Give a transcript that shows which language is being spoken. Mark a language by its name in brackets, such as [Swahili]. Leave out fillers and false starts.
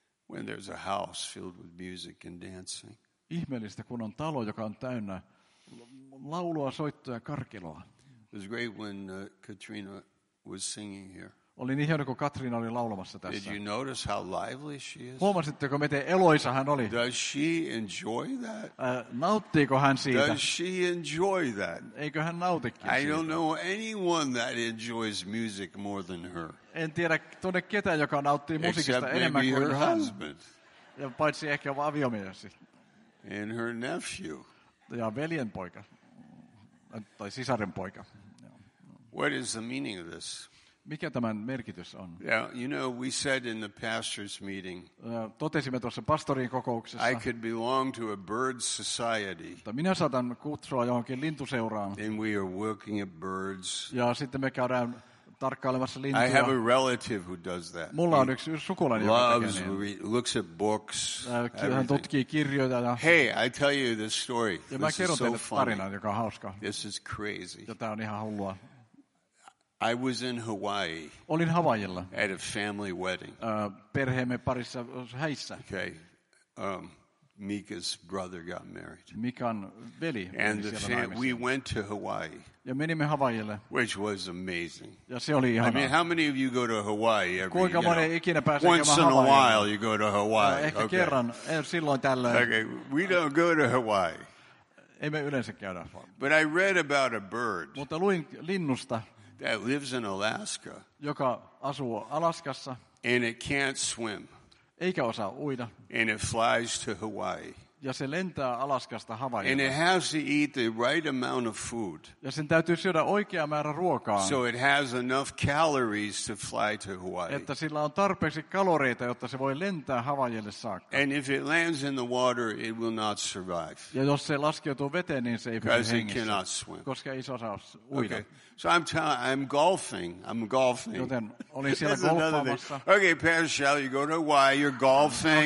[English] When there's a house filled with music and dancing. [Finnish] Ihmeellistä kun on talo joka on täynnä laulua, soittoa ja karkeloa. [English] It was great when Katrina was singing here. [Finnish] Oli niin hienoa kun Katrina oli laulamassa tässä. [English] Did you notice how lively she is? [Finnish] Huomasitteko miten eloisa hän oli? [English] Does she enjoy that? [Finnish] Nauttiiko hän siitä? [English] Does she enjoy that? [Finnish] Eikö hän nautikin siitä? [English] I don't know anyone that enjoys music more than her. [Finnish] En tiedä tunne ketään joka nauttii musiikista enemmän kuin [English] her husband. [Finnish] Ja paitsi ehkä aviomiehesi. [English] And her nephew. [Finnish] Ja veljen poika. Tai sisaren poika. [English] What is the meaning of this? [Finnish] Mikä tämän merkitys on? [English] Yeah, you know, we said in the pastors' meeting. [Finnish] Totesimme tuossa pastorin kokouksessa. [English] I could belong to a bird society. [Finnish] Tai minä saatan kutsua johonkin lintuseuraan. [English] And we are working at birds. [Finnish] Ja sitten me käydään tarkkailemassa lintuja. [English] I have a relative who does that. [Finnish] Mulla on yksi sukulainen, joka tekee niin. [English] Loves, looks at books. [Finnish] Hän tutkii kirjoja. [English] Hey, I tell you this story. [Finnish] Ja mä kerron teille tarinan, joka on hauska. [English] This is crazy. [Finnish] Ja tää on ihan hullua. [English] I was in Hawaii. [Finnish] Olin Hawaiilla. [English] At a family wedding. [Finnish] Perheemme parissa häissä. [English] Okay. Mika's brother got married. [Finnish] Mikan veli. [English] And we went to Hawaii. [Finnish] Ja menimme Hawaiille. [English] Which was amazing. [Finnish] Ja se oli ihanaa. [English] I mean, how many of you go to Hawaii every [Finnish] kuinka [English] year? [Finnish] Kuinka moni ikinä pääsee Hawaiiin? [English] Once in a while you go to Hawaii. [Finnish] Ja ehkä kerran, silloin tällöin. [English] Okay, we don't go to Hawaii. [Finnish] Emme yleensä käydä. [English] But I read about a bird. [Finnish] Mutta luin linnusta. [English] That lives in Alaska. [Finnish] Joka asuu Alaskassa. [English] And it can't swim. [Finnish] Eikä osaa uida. [English] And it flies to Hawaii. [Finnish] Ja se lentää Alaskasta Hawaiiin. [English] And it has to eat the right amount of food. [Finnish] Ja sen täytyy syödä oikea määrä ruokaa. [English] So it has enough calories to fly to Hawaii. [Finnish] Että sillä on tarpeeksi kaloreita, jotta se voi lentää Hawaiiille saakka. [English] And if it lands in the water, it will not survive. [Finnish] Ja jos se laskeutuu veteen, niin se ei pysy hengissä. [English] Because it cannot swim. [Finnish] Koska ei osaa uida. [English] Okay. So I'm golfing. [Finnish] Joten olin siellä golfaamassa. [English] Okay, Pastor Shell, you go to Hawaii, you're golfing,